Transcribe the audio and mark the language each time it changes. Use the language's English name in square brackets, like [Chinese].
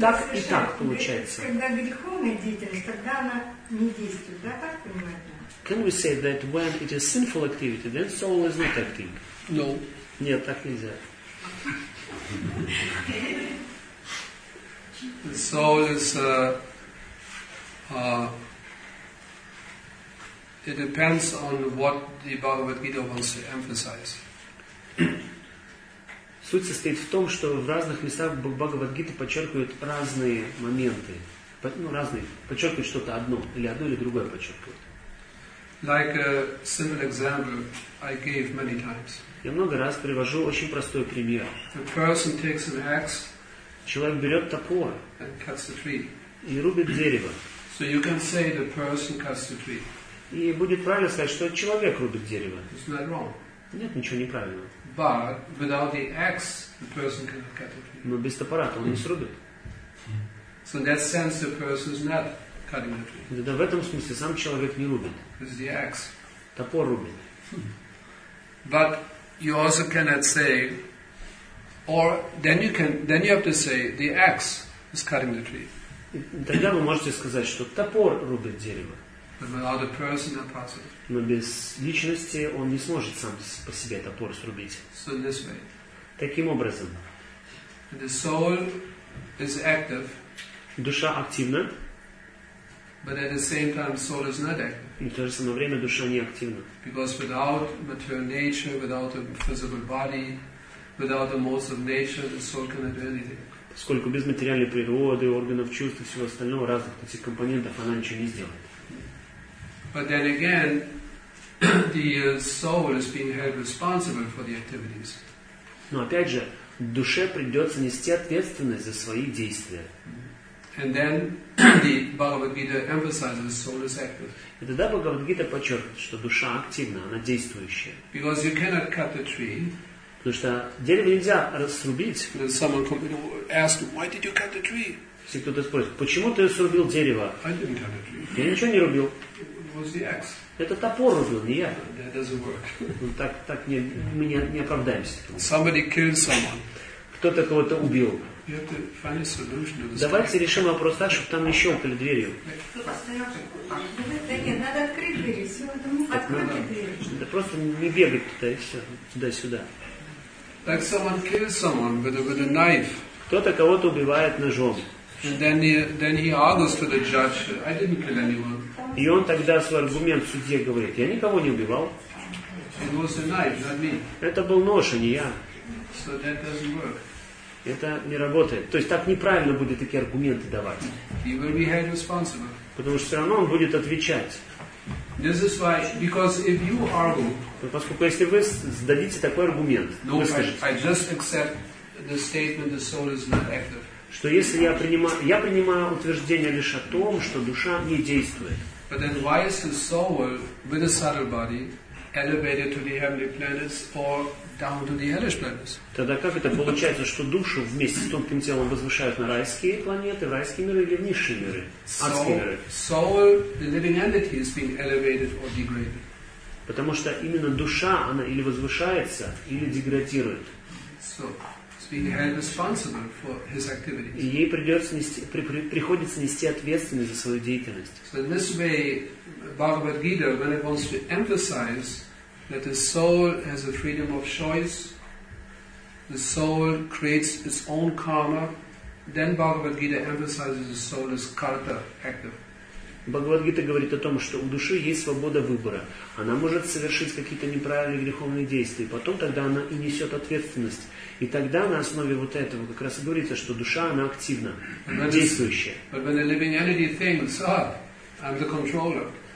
[Russian] То есть, когда греховная деятельность, тогда она не действует, да, так понимаете? [English] Can we say that when it is sinful activity, then soul is not acting? No. [Russian] Нет, так нельзя. [English] The soul is it depends on what the Bhagavad Gita wants to emphasize. [Russian] Суть состоит в том, что в разных местах Бхагавад-гиты подчеркивают разные моменты. Ну, разные. Подчеркивают что-то одно или другое подчеркивают. [English] Like a simple example I gave many times. [Russian] Я много раз привожу очень простой пример. [English] A person takes an axe. [Russian] Человек берет топор. [English] And cuts the tree. [Russian] И рубит дерево. [English] So you can say the person cuts the tree. [Russian] И будет правильно сказать, что человек рубит дерево. [English] It's not wrong. [Russian] Нет, ничего неправильного. [English] But without the axe, the person cannot cut the tree. [Russian] Но без топора он не срубит. [English] So in that sense, the person is not cutting the tree. [Russian] Да, в этом смысле сам человек не рубит. [English] It's the axe. [Russian] Топор рубит. [English] But you also cannot say, or then you have to say the axe is cutting the tree. [Russian] Тогда вы можете сказать, что топор рубит дерево. [English] But without a person, not possible. [Russian] Но без личности он не сможет сам по себе топор срубить. [English] So this way. [Russian] Таким образом. [English] The soul is active. [Russian] Душа активна. [English] But at the same time, soul is not active. [Russian] И в то же самое время душа не активна. [English] Because without material nature, without a physical body, without the modes of nature, the soul cannot do anything. [Russian] Поскольку без материальной природы, органов чувств и всего остального, разных этих компонентов, она ничего не сделает. [English] But then again, the soul is being held responsible for the activities. [Russian] Но опять же, душе придется нести ответственность за свои действия. [English] And then the Bhagavad Gita emphasizes the soul is active. [Russian] И тогда Бхагавад Гита подчеркивает, что душа активна, она действующая. [English] Because you cannot cut the tree. [Russian] Потому что дерево нельзя разрубить. [English] And someone could ask, why did you cut the tree? [Russian] Если кто-то спросит, почему ты срубил дерево? [English] I didn't cut the tree. [Russian] Я ничего не рубил. [English] The [Russian] это топор убил, не я. [English] That doesn't work. [Russian] Ну, так не, мы не оправдаемся. [English] Somebody killed someone. [Russian] Кто-то кого-то убил. [English] You have to find a solution to this. [Russian] Давайте решим вопрос так, чтобы там не щелкали дверью. Надо открыть дверь, все, откройте дверь. Да просто не бегать туда и все, туда-сюда. [English] Like someone killed someone with a knife. [Russian] Кто-то кого-то убивает ножом. [English] And then he argues to the judge, I didn't kill anyone. [Russian] И он тогда свой аргумент в суде говорит, я никого не убивал. [English] It was a knife, not me. [Russian] Это был нож, а не я. [English] So that doesn't work. [Russian] Это не работает. То есть так неправильно будет такие аргументы давать. [English] Even we had responsible. [Russian] Потому что все равно он будет отвечать. [English] This is why, because if you argue, [Russian] но поскольку если вы сдадите такой аргумент, [English] no, I just accept the statement the soul is not active. [Russian] Что если я принимаю, утверждение лишь о том, что душа не действует. [English] But then why is the soul with a subtle body elevated to the heavenly planets or down to the hellish planets? [Russian] Тогда как это получается, что душу вместе с тонким телом возвышают на райские планеты, в райские миры или в низшие миры, адские миры? [English] Soul, the living entity, is being elevated or degraded. [Russian] Потому что именно душа, она или возвышается, или деградирует. [English] So, it's being held responsible for his activities. [Russian] И ей придется нести, приходится нести ответственность за свою деятельность. [English] So, in this way, Bhagavad Gita, when it wants to emphasize that the soul has a freedom of choice, the soul creates its own karma, then Bhagavad Gita emphasizes the soul is karta, active. [Russian] Бхагавад-гита говорит о том, что у души есть свобода выбора. Она может совершить какие-то неправильные греховные действия. Потом тогда она и несет ответственность. И тогда на основе вот этого как раз и говорится, что душа, она активна, действующая. [English] But when a living entity thinks, oh, I'm the controller.